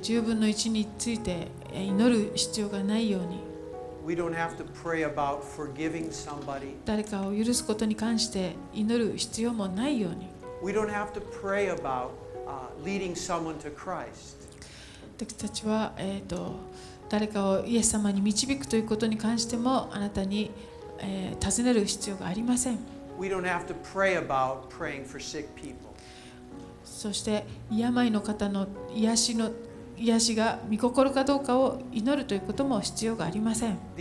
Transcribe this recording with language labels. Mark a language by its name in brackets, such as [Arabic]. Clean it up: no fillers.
[Japanese] 十分の一について祈る必要がないように。 [English] We don't have to pray about forgiving somebody. [Japanese] 誰かを許すことに関して祈る必要もないように。 [English] We don't have to pray about leading someone to Christ. [Japanese] 私たちは誰かをイエス様に導くということに関してもあなたに尋ねる必要がありません。 [English] We don't have to pray about praying for sick people. [Japanese] そして病の方の癒しの癒しが御心かどうかを祈るということも必要がありません。